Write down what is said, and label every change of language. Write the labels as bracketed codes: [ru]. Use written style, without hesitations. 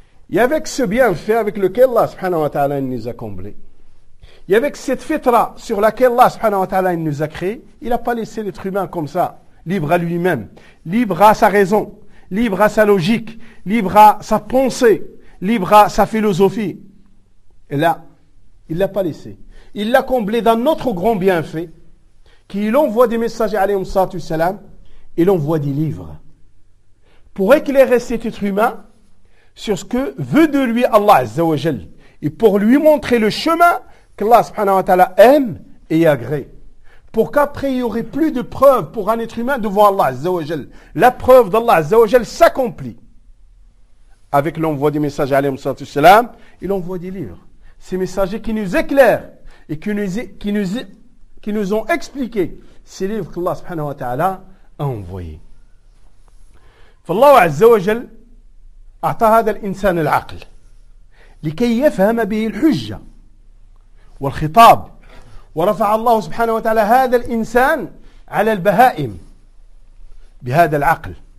[fr] Et avec ce bienfait avec lequel Allah subhanahu wa ta'ala nous a comblé, et avec cette fitra sur laquelle Allah subhanahu wa ta'ala nous a créé, il n'a pas laissé l'être humain comme ça, libre à lui-même, libre à sa raison, libre à sa logique, libre à sa pensée, libre à sa philosophie. Et là, il ne l'a pas laissé. Il l'a comblé d'un autre grand bienfait, qu'il envoie des messagers, alayhum salatu salam, et l'envoie des livres. Pour éclairer cet être humain sur ce que veut de lui Allah Azza wa Jal, et pour lui montrer le chemin qu'Allah subhanahu wa ta'ala aime et agrée. Pour qu'après il n'y aurait plus de preuves pour un être humain de voir Allah Azza wa Jal. La preuve d'Allah Azza wa Jal s'accomplit. Avec l'envoi des messagers alayhi salatu salam, il envoie des livres. Ces messagers qui nous éclairent et qui nous ont expliqué ces livres qu'Allah subhanahu wa ta'ala a envoyés. [ar] Allah Azza wa Jal أعطى هذا الإنسان العقل لكي يفهم به الحجة والخطاب ورفع الله سبحانه وتعالى هذا الإنسان على البهائم بهذا العقل